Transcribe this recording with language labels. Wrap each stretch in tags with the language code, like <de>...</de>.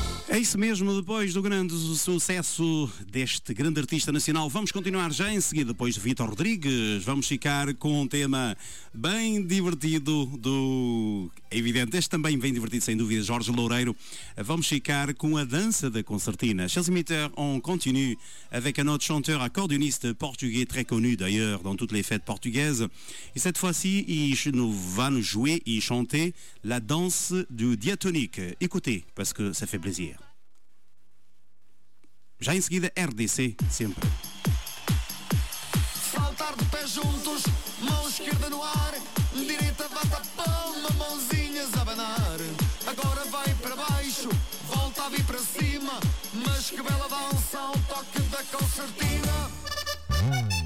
<pt>É isso mesmo, depois do grande sucesso deste grande artista nacional. Vamos continuar já em seguida, depois de Vítor Rodrigues. Vamos ficar com um tema bem divertido do... É evidente, este também bem divertido, sem dúvida, Jorge Loureiro. Vamos ficar com a dança da concertina.</pt> <fr>Chers imiteurs, on continue avec un autre chanteur accordioniste português, très connu d'ailleurs dans toutes les fêtes portugaises. Et cette fois-ci, il va nous jouer et chanter la danse du diatonique. Écoutez, parce que ça fait plaisir.</fr> <pt>Já em seguida, RDC, sempre. Saltar de pés juntos, mão esquerda no ar, direita bata palma, mãozinhas a abanar. Agora vai para baixo, volta a vir para cima, mas que bela dança ao toque da concertina.</pt>